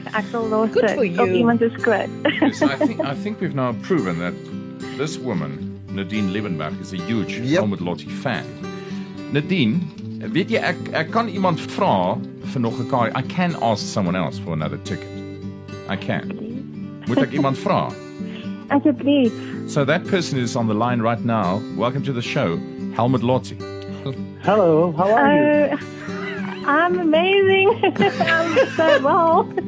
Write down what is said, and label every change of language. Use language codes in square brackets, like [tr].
[af] Ek sal los sit op iemand se skoot. [en] I think we've now proven that this woman, Nadine Liebenbach, is a huge Helmut Lotti fan. [af] Nadine, weet jy, ek kan iemand vra vir nog 'n kaart. [en] I can ask someone else for another ticket. I can. [af] Moet ek iemand vra? Asseblief. [en] So that person is on the line right now. Welcome to the show, Helmut Lotti. Hello, how are you? I'm amazing. I'm so well.